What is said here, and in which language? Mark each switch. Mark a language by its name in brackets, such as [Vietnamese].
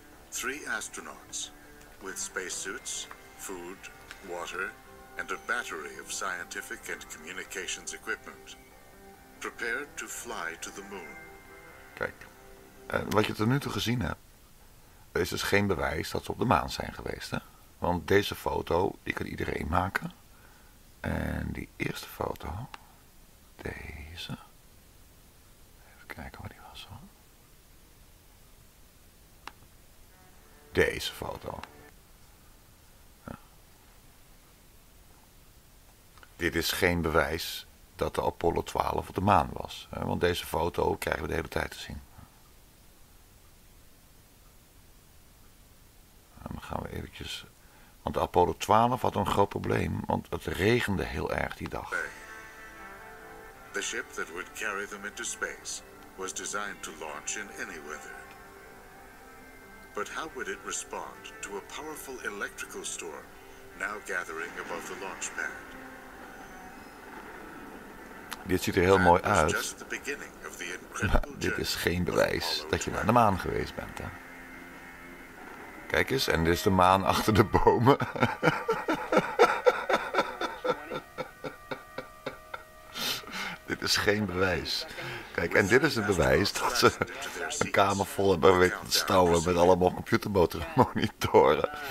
[English] 3 astronauts with spacesuits, food, water, and a battery of scientific and communications equipment, prepared to fly to the moon. [Dutch] Kijk, wat je tot nu toe gezien hebt, is dus geen bewijs dat ze op de maan zijn geweest, hè? Want deze foto, die kan iedereen maken. En die eerste foto, deze. Even kijken waar die was, hoor. Deze foto. Dit is geen bewijs dat de Apollo 12 op de maan was. Hè? Want deze foto krijgen we de hele tijd te zien. En dan gaan we eventjes... Want de Apollo 12 had een groot probleem. Want het regende heel erg die dag. [English] The ship that would carry them into space was designed to launch in any weather. But how would it respond to a powerful electrical storm now gathering above the launch pad? [Dutch] Dit ziet er heel mooi uit, maar dit is geen bewijs dat je naar de maan geweest bent. Hè? Kijk eens, en dit is de maan achter de bomen. Dit is geen bewijs. Kijk, en dit is het bewijs dat ze een kamer vol hebben weten te stouwen met allemaal computermonitoren.